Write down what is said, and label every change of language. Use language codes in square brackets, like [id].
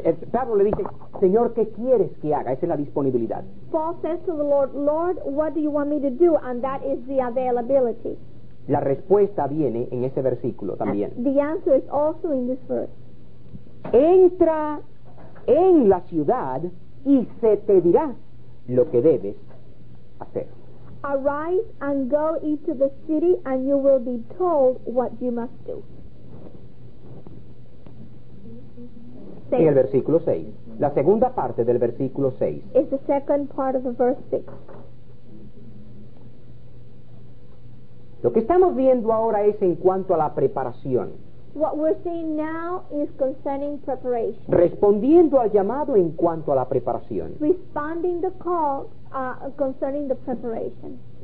[es] Pablo le dice, Señor, ¿qué quieres que haga? Esa es la disponibilidad. [en] Paul says to the Lord, Lord, what do you want me to do? And that is the availability. [es] La respuesta viene en ese versículo también. [en] And the answer is also in this verse. [es] Entra en la ciudad y se te dirá lo que debes hacer. [en] Arise and go into the city and you will be told what you must do. [es] En el versículo 6, la segunda parte del versículo 6. [en] It's the second part of the verse 6. [es] Lo que estamos viendo ahora es en cuanto a la preparación. [en] What we're seeing now is concerning preparation. [es] Respondiendo al llamado en cuanto a la preparación. [en] Responding the call concerning the preparation.